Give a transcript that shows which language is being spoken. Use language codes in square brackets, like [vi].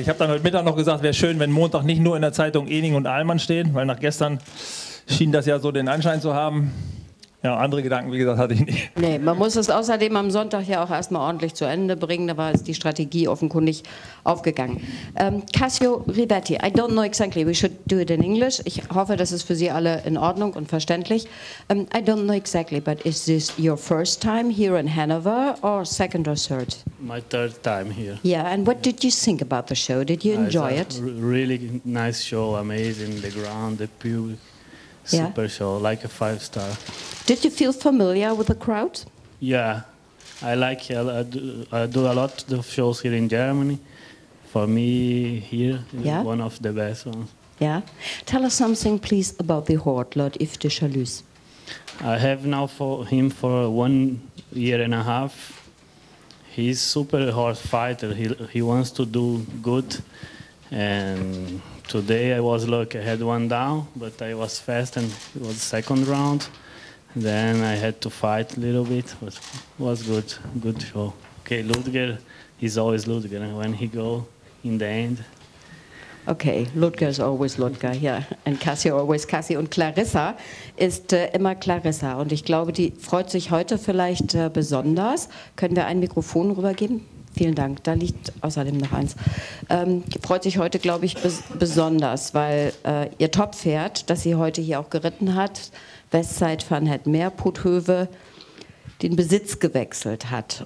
[de] Ich habe dann heute Mittag noch gesagt, wäre schön, wenn Montag nicht nur in der Zeitung Ening und Ahlmann stehen. Weil nach gestern schien das ja so den Anschein zu haben. Ja, andere Gedanken, wie gesagt, hatte ich nicht. Nee, man muss es außerdem am Sonntag ja auch erstmal ordentlich zu Ende bringen. Da war jetzt die Strategie offenkundig aufgegangen. [en] Cassio Rivetti, I don't know exactly, we should do it in English. [de] Ich hoffe, das ist für Sie alle in Ordnung und verständlich. [en] I don't know exactly, but is this your first time here in Hanover or second or third? My third time here. Yeah, and what did you think about the show? Did you enjoy it? Really nice show, amazing, the ground, the pure. Yeah. Super show, like a five star. Did you feel familiar with the crowd? Yeah, I like it. I do a lot of shows here in Germany. For me, here, yeah, is one of the best ones. Yeah. Tell us something, please, about the horse, Lord Yves de Chalus. I have now for him for 1 year and a half. He's super horse fighter. He wants to do good. And today I was lucky, I had one down, but I was fast and it was second round. Then I had to fight a little bit, but was good, good show. Okay, Ludger is always Ludger when he go in the end. Okay, Ludger is always Ludger, yeah. And Cassie always Cassie. [de] Und Clarissa ist immer Clarissa. Und ich glaube, die freut sich heute vielleicht besonders. Können wir ein Mikrofon rübergeben? Vielen Dank, da liegt außerdem noch eins. Freut sich heute, glaube ich, besonders, weil ihr Top-Pferd, das sie heute hier auch geritten hat, Westside van het Meer Poothöwe, den Besitz gewechselt hat.